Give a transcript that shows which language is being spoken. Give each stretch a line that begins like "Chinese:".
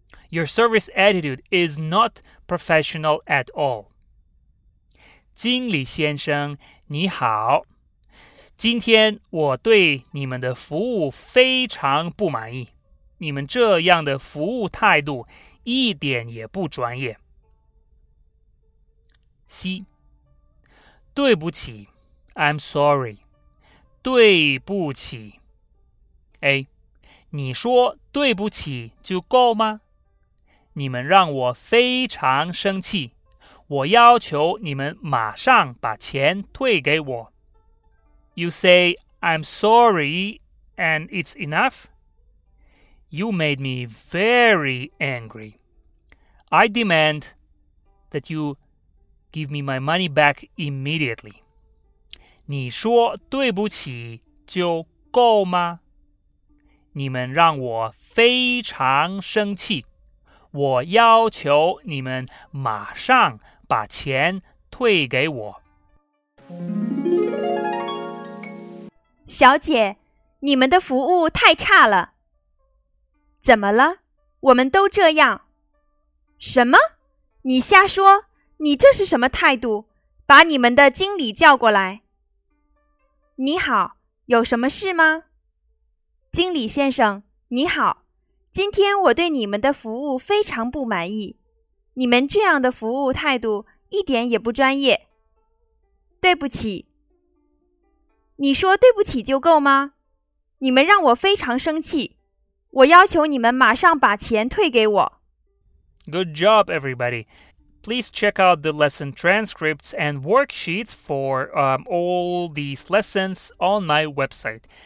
English: Your service attitude is not professional at all.
Chinese: 经理先生你好，今天我对你们的服务非常不满意，你们这样的服务态度一点也不专业。
English: C.
Chinese: 对不起，
English: I'm sorry.
Chinese: 对不起。A. 你说对不起就够吗？你们让我非常生气，我要求你们马上把钱退给我。
English: You say, I'm sorry, and it's enough? You made me very angry. I demand that you give me my money back immediately.
Chinese: 你说对不起就够吗？你们让我非常生气，我要求你们马上把钱退给我。小姐，你们的服务太差了。怎么了？我们都这样。什么？你瞎说，你这是什么态度？把你们的经理叫过来。你好，有什么事吗？经理先生，你好。今天我对你们的服务非常不满意，你们这样的服务态度一点也不专业。对不起。你说对不起就够吗？你们让我非常生气，我要求你们马上把钱退给我。
English: Good job, everybody. Please check out the lesson transcripts and worksheets for all these lessons on my website.